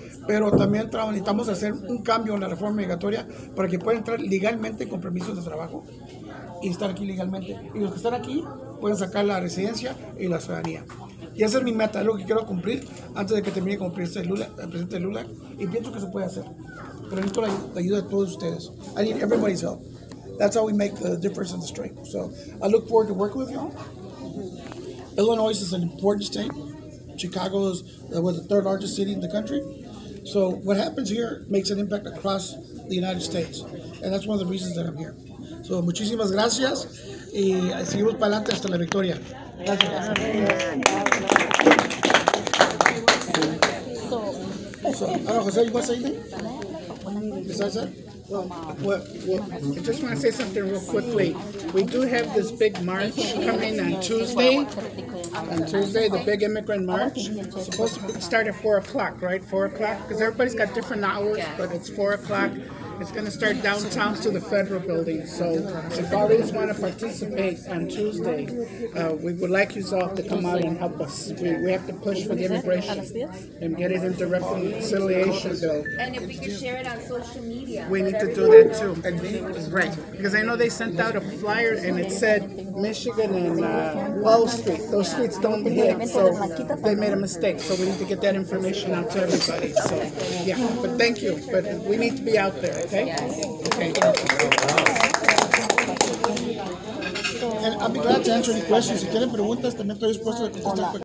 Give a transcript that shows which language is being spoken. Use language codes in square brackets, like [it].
[es] Pero también necesitamos hacer un cambio en la reforma migratoria para que puedan entrar legalmente con permisos de trabajo y estar aquí legalmente. Y los que están aquí pueden sacar la residencia y la ciudadanía. Y esa es mi meta, es lo que quiero cumplir antes de que termine como presidente Lula, y pienso que se puede hacer. Pero necesito la ayuda de todos ustedes. [en] I need everybody's help. That's how we make the difference in the strike. So, I look forward to working with you all. Illinois is an important state. Chicago is the third largest city in the country. So, what happens here makes an impact across the United States. And that's one of the reasons that I'm here. [es] So, muchísimas gracias, y seguimos para adelante hasta la victoria. Gracias. [en] So, José, you want to say anything? Besides that? Well, I just want to say something real quickly. We do have this big march coming on Tuesday. On Tuesday, the big immigrant march. It's supposed to start at 4 o'clock, right? 4 o'clock? Because everybody's got different hours, but it's 4 o'clock. It's going to start downtown to the federal building. So if all of you want to participate on Tuesday, we would like you all to come out and help us. We have to push for the immigration and get it into reconciliation bill. And if we could share it on social media. We need to do that too. Right. Because I know they sent out a flyer and it said Michigan and Wall Street. Those streets don't hit. So they made a mistake. So we need to get that information out to everybody. So, yeah. But thank you. But we need to be out there. Okay. Okay. And I'll be glad to answer any questions. [es] Si tienen preguntas, también estoy dispuesto a contestar.